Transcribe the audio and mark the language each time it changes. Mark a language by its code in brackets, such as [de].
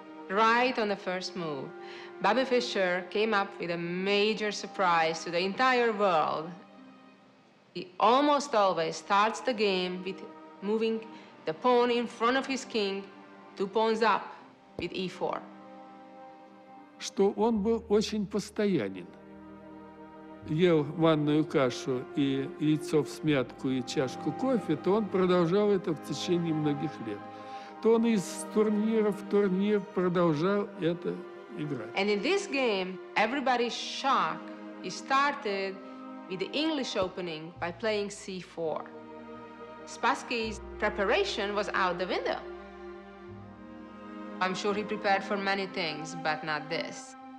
[en] Right on the first move, Bobby Fischer came up with a major surprise to the entire world. He almost always starts the game with moving the pawn in front of his king, two pawns up with e4. [ru] Что он был очень постоянен. Ел манную кашу и яйцо всмятку и чашку кофе, то он продолжал это в течение многих лет. То он из турнира в турнир продолжал это [en] And in this game, everybody's shock is started with the English opening by playing c4. Spassky's preparation was out the window. I'm sure he prepared for many things, but not this.